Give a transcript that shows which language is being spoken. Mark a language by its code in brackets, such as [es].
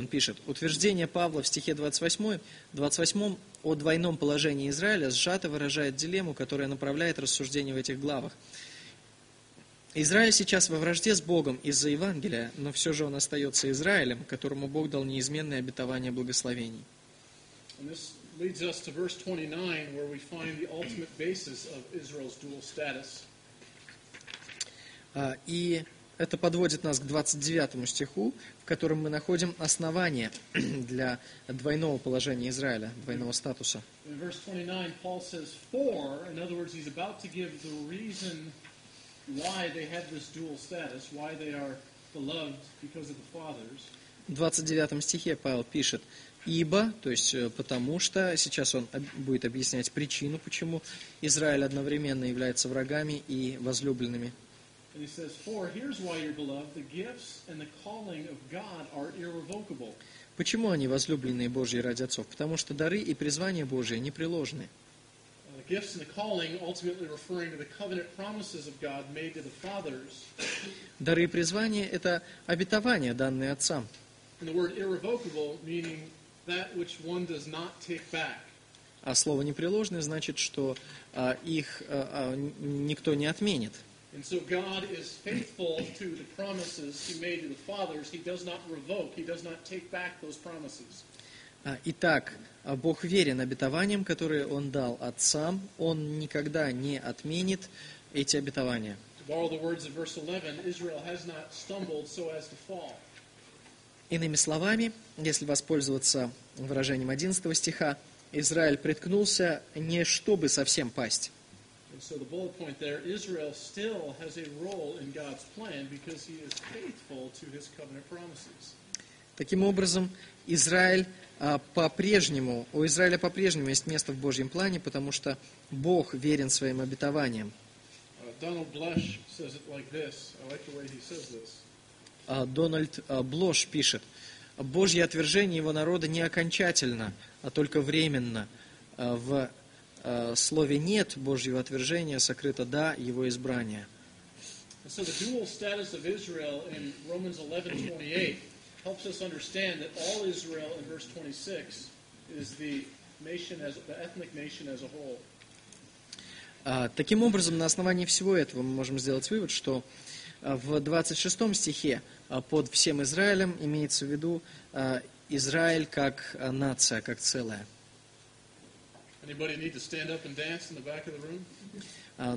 [ru] Он пишет, утверждение Павла в стихе 28 о двойном положении Израиля сжато выражает дилемму, которая направляет рассуждение в этих главах. Израиль сейчас во вражде с Богом из-за Евангелия, но все же он остается Израилем, которому Бог дал неизменное обетование благословений. [en] Leads us to verse 29, where we find the ultimate basis of Israel's dual status. [ru] И это подводит нас к 29 стиху, в котором мы находим основание для двойного положения Израиля, двойного статуса. [en] In verse 29, Paul says, for, in other words, he's about to give the reason why they have this dual status, why they are beloved because of the fathers. [ru] В 29 стихе Павел пишет: «Ибо», то есть «потому что», сейчас он будет объяснять причину, почему Израиль одновременно является врагами и возлюбленными. [en] And he says, for here's why you're beloved, the gifts and the calling of God are irrevocable. [ru] Почему они возлюбленные Божьи ради отцов? Потому что дары и призвание Божие непреложны. [en] The gifts and the calling ultimately referring to the covenant promises of God made to the fathers. [ru] Дары и призвание – это обетования, данные отцам. [en] And the word irrevocable meaning that which one does not take back. [ru] А слово непреложное значит, что их никто не отменит. [en] And so God is faithful to the promises he made to the fathers. He does not revoke, he does not take back those promises. [ru] Итак, Бог верен обетованиям, которые он дал отцам. Он никогда не отменит эти обетования. [en] To borrow the words of verse 11, Israel has not stumbled so as to fall. [ru] Иными словами, если воспользоваться выражением 11 стиха, Израиль приткнулся не чтобы совсем пасть. [en] And so the bullet point there, Israel still has a role in God's plan because he is faithful to his covenant promises. [ru] Таким образом, у Израиля по-прежнему есть место в Божьем плане, потому что Бог верен своим обетованиям. [en] Donald Blush says it like this. I like the way he says this. [ru] Дональд Блош пишет: Божье отвержение его народа не окончательно, а только временно. В слове «нет» Божьего отвержения сокрыто «да» его избрание. [en] So the dual status of Israel in Romans 11:28 helps us understand that all Israel in verse 26 is the nation as the ethnic nation as a whole. [ru] Таким образом, на основании всего этого мы можем сделать вывод, что в 26 стихе под всем Израилем имеется в виду Израиль как нация, как целая. [en] Anybody need to stand up and dance in the back of the room?